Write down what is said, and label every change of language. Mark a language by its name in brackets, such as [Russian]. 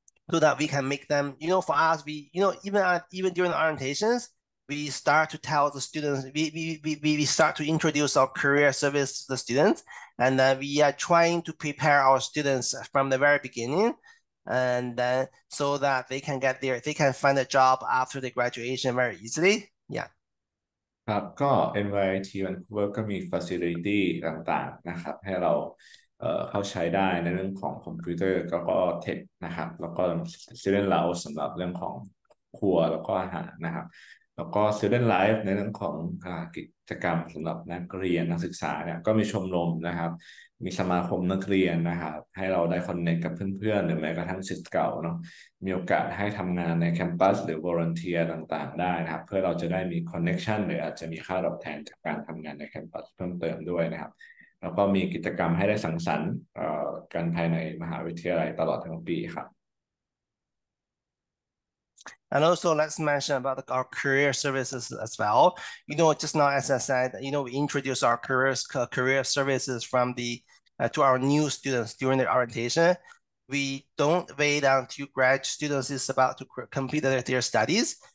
[English] so that we can make them, you know, for us, we, you know, even during orientations, we start to tell the students, we start to introduce our career service to the students, and then we are trying to prepare our students from the very beginning, and then so that they can get there, they can find a job after the graduation very easily. Yeah. [Thai] ครับก็ NYIT Vancouver ก็มี facility ต่างๆนะครับให้เราเข้าใช้ได้ในเรื่องของคอมพิวเตอร์ก็เทคนะครับแล้วก็ student lounge สำหรับเรื่องของครัวแล้วก็อาหารนะครับแล้วก็ student life ในเรื่องของ กิจกรรมสำหรับนักเรียนนักศึกษาเนี่ยก็มีชมรมนะครับมีสมาคมนักเรียนนะครับให้เราได้ connect กับเพื่อนๆหรือแม้กระทั่งศิษย์เก่าเนาะมีโอกาสให้ทำงานในแคมปัสหรือ volunteer ต่างๆได้นะครับเพื่อเราจะได้มี connection หรืออาจจะมีค่าตอบแทนจากการทำงานในแคมปัสเพิ่มเติมด้วยนะครับแล้วก็มีกิจกรรมให้ได้สังสรรค์กันภายในมหาวิทยาลัยตลอดทั้งปีครับ [English] And also, let's mention about our career services as well. You know, just now, as I said, you know, we introduce our career services from the to our new students during their orientation. We don't wait until grad students is about to complete their studies.